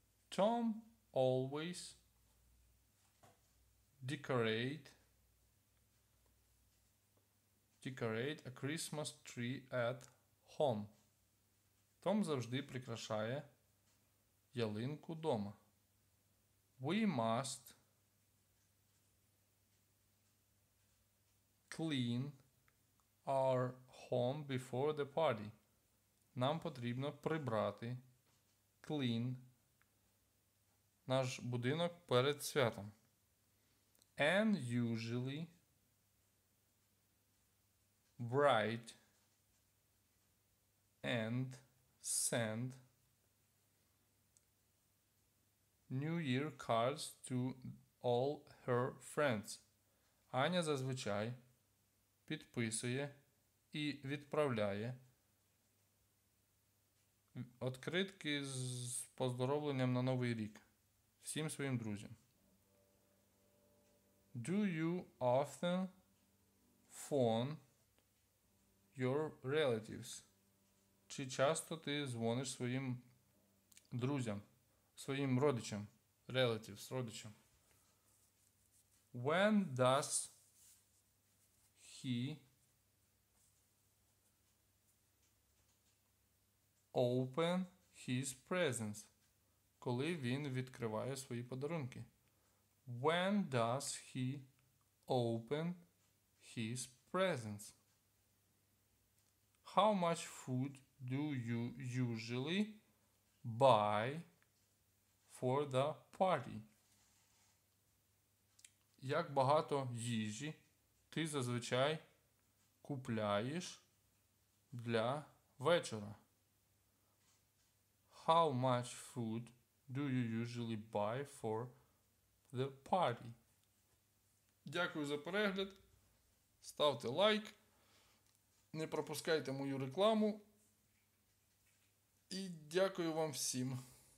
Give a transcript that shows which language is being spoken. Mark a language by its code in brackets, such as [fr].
[en] Tom always decorate a Christmas tree at home. [uk] Tom завжди прикрашає ялинку дома. [en] We must clean our home before the party. [uk] Нам потрібно прибрати, [en] clean, [uk] наш будинок перед святом. [en] And usually write and send New Year cards to all her friends. [uk] Аня зазвичай підписує і відправляє відкритки з поздоровленням на Новий рік всім своїм друзям. [en] Do you often phone your relatives? [uk] Чи часто ти дзвониш своїм друзям, своїм родичам, [en] relatives, [uk] родичам? [en] When does he open his presents? [uk] Коли він відкриває свої подарунки? [en] When does he open his presents? How much food do you usually buy for the party? [uk] Як багато їжі ти зазвичай купляєш для вечора? [en] How much food do you usually buy for the party? [uk] Дякую за перегляд. Ставте лайк. Не пропускайте мою рекламу. І дякую вам всім.